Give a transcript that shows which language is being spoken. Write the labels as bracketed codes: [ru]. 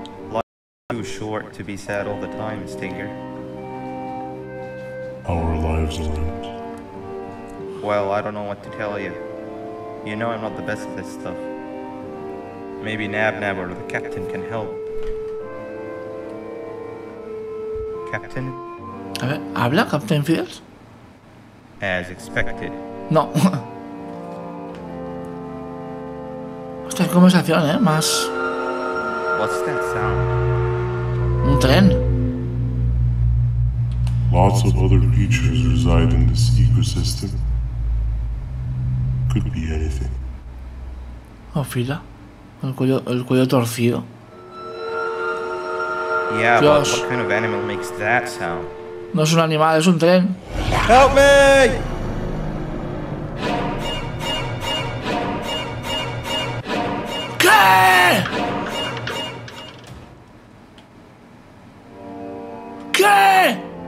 [en] Life's too short to be sad all the time, Stinger. Our lives aren't. Well, I don't know what to tell you. You know I'm not the best at this stuff. Maybe Nab-Nab or the captain can help. Captain? [es] A ver, ¿habla Captain Fields? [en] As expected. No. [es] Esta conversación, más... [en] What's that sound? [es] Un tren. [en] Lots of other creatures reside in this ecosystem. Could be anything. [es] Oh, Fila. El cuello torcido. [en] Yeah, Josh. But what kind of animal makes that sound? [es] No es un animal, es un tren. [en] Help me! [es] ¿Qué? ¿Qué?